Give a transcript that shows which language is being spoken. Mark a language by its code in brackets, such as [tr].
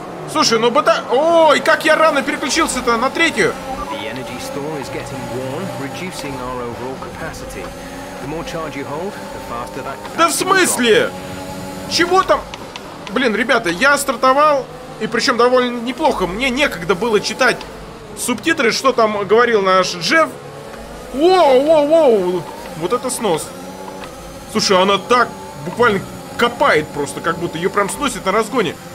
[ru] Слушай, ну бота... Ой, как я рано переключился-то на третью! [en] The energy store is getting warm, reducing our overall capacity. The more charge you hold, the faster that... [ru] Да в смысле? Чего там? Блин, ребята, я стартовал, и причем довольно неплохо. Мне некогда было читать субтитры, что там говорил наш Джефф. Воу-воу-воу! Вот это снос. Слушай, она так буквально копает просто, как будто ее прям сносит на разгоне.